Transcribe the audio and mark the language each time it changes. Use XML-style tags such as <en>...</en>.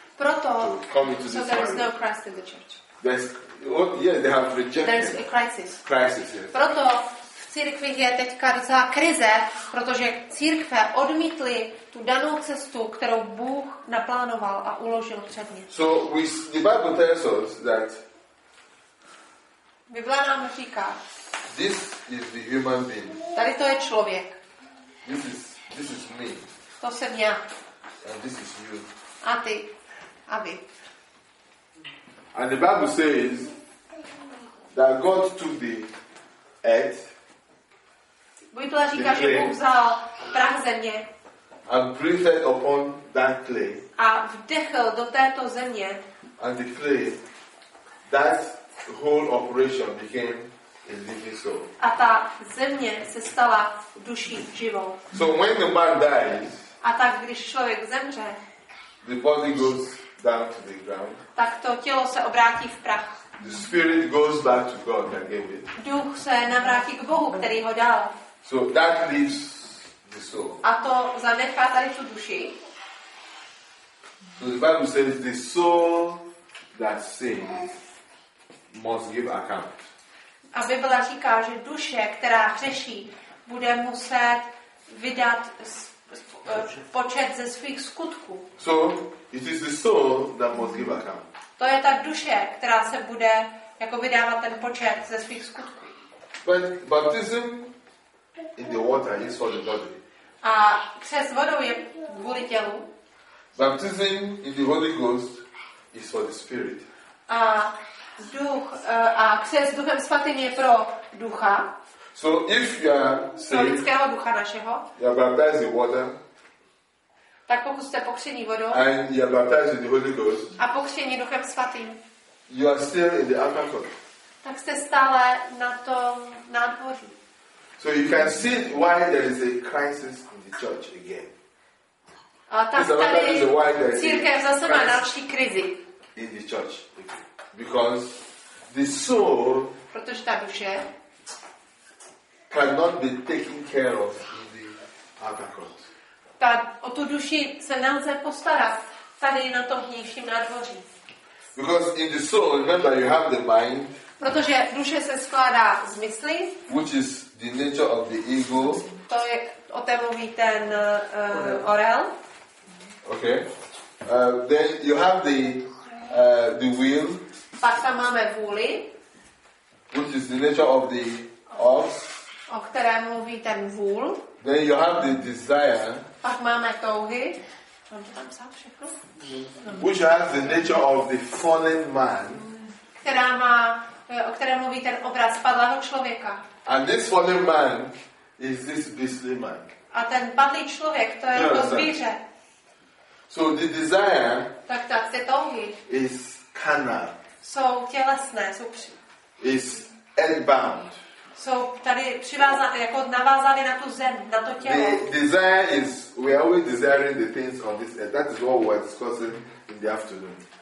<cs>Proto,</cs> <en>there is no Christ in the church.</en> <cs>Proto v církvi je teďka docela krize, protože církve odmítly tu danou cestu, kterou Bůh naplánoval a uložil před ně.</cs> <en>So we, the Bible tells us that</en> <cs>Bible nám říká,</cs> <en>this is the human being.</en> <cs>Tady to je člověk.</cs> <en>This is me.</en> <cs>To jsem já.</cs> <en>And this is you.</en> <cs>A ty. A vy.</cs> <en>And the Bible says that God took the earth.</en> <cs>Bible říká, že Bůh vzal prach země.</cs> <en>And breathed upon that clay.</en> <cs>A vdechl do této země.</cs> <en>And the clay, that whole operation became a living soul.</en> <cs>A ta země se stala duší živou.</cs> <en>So when the man dies,</en> <cs>a tak když člověk zemře,</cs> <en>the body goes down to the ground.</en> <cs>Tak to tělo se obrátí v prach.</cs> <en>The spirit goes back to God that gave it.</en> <cs>Duch se navrátí k Bohu, který ho dal.</cs> <en>So that leaves the soul.</en> <cs>A to zanechá tady tu duši.</cs> <en>So the Bible says the soul that sins must give account.</en> <cs>A Bible říká, že duše, která hřeší, bude muset vydat počet ze svých skutků.</cs> <en>So it is the soul that must give account.</en> <cs>To je ta duše, která se bude jako vydávat ten počet ze svých skutků.</cs> <en>But baptism in the water is for the body.</en> <cs>A křes vodou je kvůli tělu.</cs> <en>Baptism in the Holy Ghost is for the spirit.</en> <cs>A duch a křes Duchem Svatým je pro ducha.</cs> <en>So if you are saved,</en> <cs>pro lidského ducha našeho.</cs> <en>You are baptized in water.</en> <cs>Tak pokud jste pokřtěni vodou.</cs> <en>And you are baptized in the Holy Ghost.</en> <cs>A pokřtěni Duchem Svatým.</cs> <en>You are still in the outer court.</en> <cs>Tak jste stále na tom nádvoří.</cs> <en>So you can see why there is a crisis in the church again.</en> <cs>A tak tady církev zase má další krizi.</cs> <en>In the church. Because the soul,</en> <cs>protože ta duše,</cs> <en>cannot be taken care of in the outer court.</en> <cs>Tak o tu duši se nelze postarat tady na tom vnějším nádvoří.</cs> <en>Because in the soul, remember, you have the mind.</en> <cs>Protože duše se skládá z mysli,</cs> <en>which is the nature of the ego.</en> <cs>To je o té mluví ten orel.</cs> <en>Okay. Then you have the will.</en> <cs>Pak tam máme vůli.</cs> <en>Which is the nature of the ox.</en> <cs>O které mluví ten vůl.</cs> <en>Then you have the desire.</en> <cs>Pak máme touhy. Mám to tam psát všechno?</cs> <en>Which has the nature of the fallen man.</en> <cs>Která má, o které mluví ten obraz padlého člověka.</cs> <en>And this fallen man is this beastly man.</en> <cs>A ten padlý člověk, to je to zvíře.</cs> <en>So the desire,</en> <cs>tak tak ty touhy,</cs> <en>is carnal.</en> <cs>Jsou tělesné, jsou při.</cs> <en>Is earthbound.</en> <cs>Jsou tady přivázané, jako navázané na tu zem, na to tělo.</cs> <en>The desire is, we are always desiring the things on this earth. That is what we are discussing in the afternoon.</en>